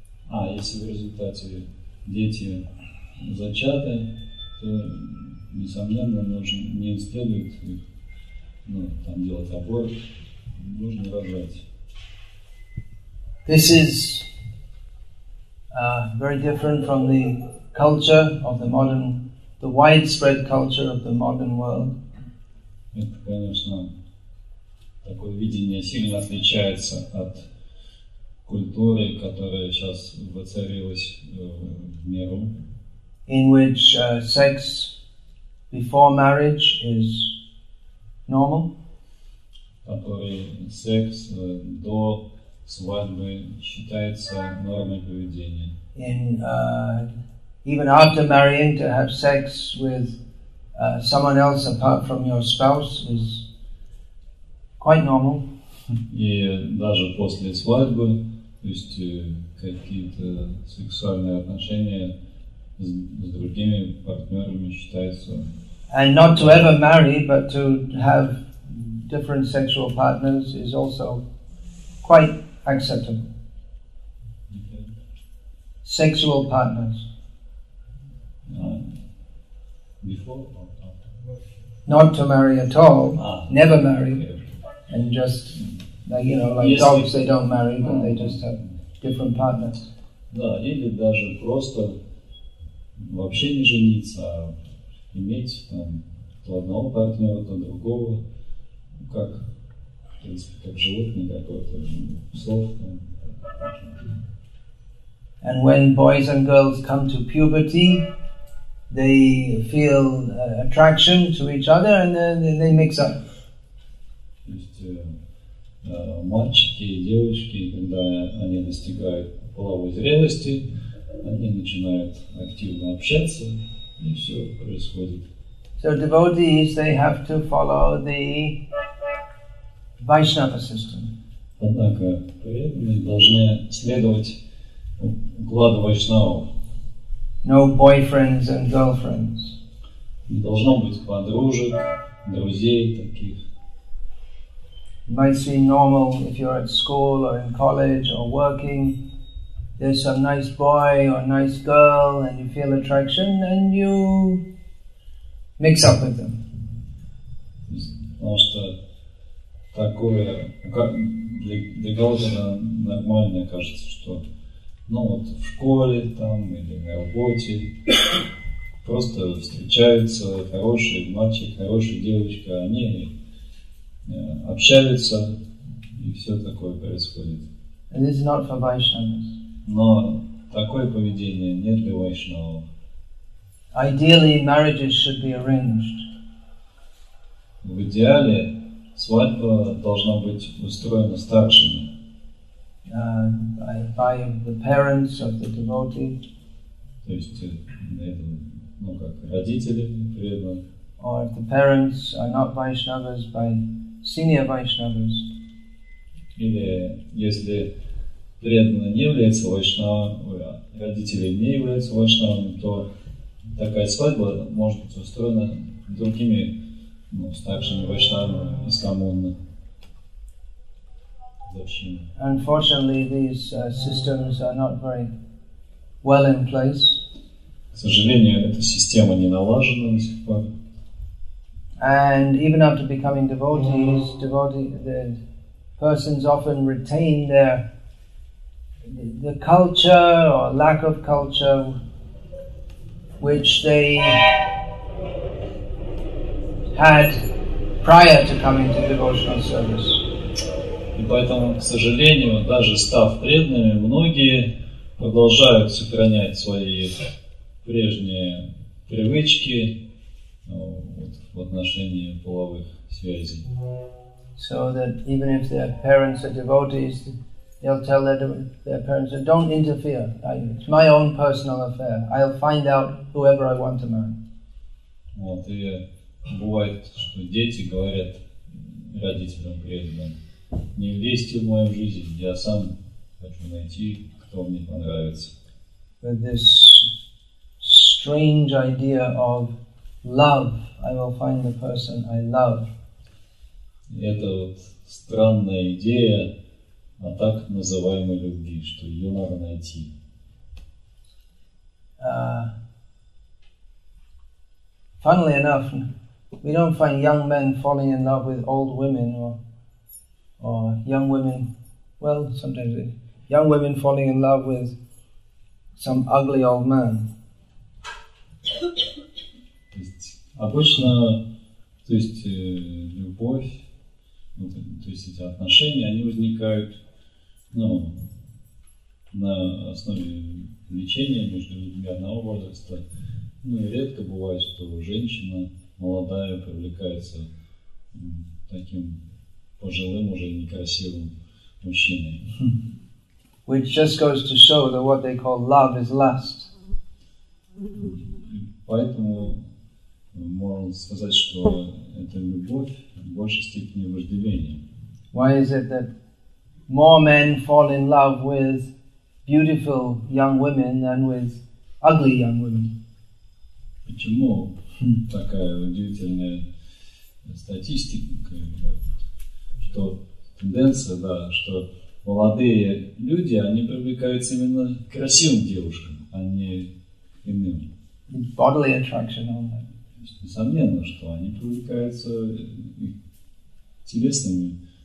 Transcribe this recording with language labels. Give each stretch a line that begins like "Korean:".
Russian: А, если в результате дети зачаты, то, несомненно, нужно не следует их там делать аборт, нужно рожать.
English: This is very different from the culture of the modern, the widespread culture of the modern world.
Russian: Это, конечно, такое видение сильно отличается от культуры, которая сейчас воцарилась в миру.
English: In which sex before marriage is normal.
Russian: Который секс до свадьбы считается нормой поведения.
English: In even after marrying, to have sex with someone else apart from your spouse is quite normal.
Russian: И даже после свадьбы, то есть какие-то сексуальные отношения с другими партнерами считаются.
English: And not to ever marry, but to have different sexual partners is also quite acceptable. Sexual partners. Before or after? Not to marry at all, never marry, and just Like, you know, like
Russian: если,
English: dogs, they don't marry, but they just have different partners.
Russian: Да, или даже просто вообще не жениться, а иметь там то одного партнера, то другого, ну, как, в принципе, как животное какое-то, слов там.
English: And when boys and girls come to puberty, they feel attraction to each other, and then they mix up.
Russian: То есть мальчики и девочки, когда они достигают половой зрелости, они начинают активно общаться, и все происходит.
English: So devotees, they have to follow the Vaishnava system.
Russian: Однако преданные должны следовать укладу вайшнавов.
English: No boyfriends and girlfriends.
Russian: Не должно быть подружек, друзей таких.
English: It might seem normal if you're at school or in college or working. There's some nice boy or nice girl and you feel attraction and you mix up with them.
Russian: Потому что такое для кого-то нормально кажется, что ну вот в школе там или на работе просто встречаются хорошие мальчики, хорошие девочки, они общаются и все такое происходит.
English: And this is not for Vaishnavas.
Russian: Но такое поведение не для вайшнавов.
English: Ideally, marriages should be arranged.
Russian: В идеале свадьба должна быть устроена старшими.
English: By the parents of the devotee.
Russian: То есть, ну как, родители преданных.
English: Or if the parents are not Vaishnavas, by senior Vaishnavas.
Russian: Или если преданный не является Вайшнавом, родители не являются Вайшнавом, то такая свадьба может быть устроена другими, ну, старшими Вайшнавами из коммуны.
English: Unfortunately, these systems are not very well in place.
Russian: К сожалению, эта система не налажена до сих пор.
English: And even after becoming devotees, the persons often retain the culture or lack of culture which they had prior to coming to devotional service.
Russian: И поэтому, к сожалению, даже став преданными, многие продолжают сохранять свои прежние привычки в отношении половых связей.
English: So that even if their parents are devotees, they'll tell their parents, don't interfere. It's my own personal affair. I'll find out whoever I want to marry.
Russian: Вот, и бывает, что дети говорят родителям преданным, не влезьте в мою жизнь, я сам хочу найти, кто мне понравится.
English: But this strange idea of love, I will find the person I love.
Russian: Это вот странная идея о так называемой любви, что ее надо найти.
English: Funnily enough, we don't find young men falling in love with old women or young women, well, sometimes young women falling in love with some ugly old man.
Russian: Обычно, то есть любовь, то есть эти отношения, они возникают, ну, на основе влечения между людьми одного возраста. Ну, и редко бывает, что женщина молодая привлекается таким пожилым, уже некрасивым мужчиной.
English: Which just goes to show that what they call love is lust.
Russian: Поэтому можно сказать, что это любовь в большей степени вожделение.
English: Why is it that more men fall in love with beautiful young women than with ugly young women?
Russian: Почему такая удивительная статистика? Что тенденция, да, что молодые люди, они привлекаются именно к красивым девушкам, а не иным.
English: Bodily attraction only.
Russian: Несомненно, что они привлекаются телесными